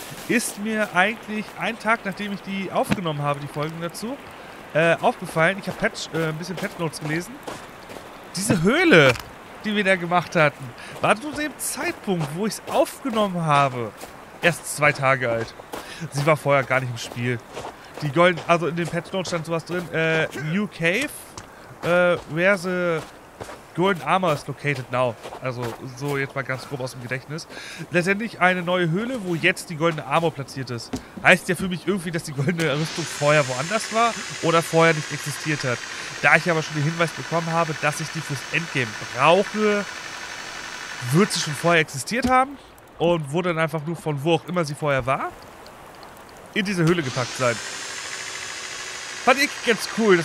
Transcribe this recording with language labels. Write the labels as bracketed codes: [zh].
[de] Ist mir eigentlich ein Tag, nachdem ich die aufgenommen habe, die Folgen dazu, aufgefallen. Ich habe ein bisschen Patchnotes gelesen. Diese Höhle, die wir da gemacht hatten, war zu dem Zeitpunkt, wo ich es aufgenommen habe, erst 2 Tage alt. Sie war vorher gar nicht im Spiel. Die Golden, also in den Patchnotes stand sowas drin. [en] New Cave, where the Golden Armor is located now. [de] Also so jetzt mal ganz grob aus dem Gedächtnis. Letztendlich eine neue Höhle, wo jetzt die Goldene Armor platziert ist. Heißt ja für mich irgendwie, dass die Goldene Rüstung vorher woanders war oder vorher nicht existiert hat. Da ich aber schon den Hinweis bekommen habe, dass ich die fürs Endgame brauche, wird sie schon vorher existiert haben und wurde dann einfach nur von wo auch immer sie vorher war, in diese Höhle gepackt sein. Fand ich ganz cool.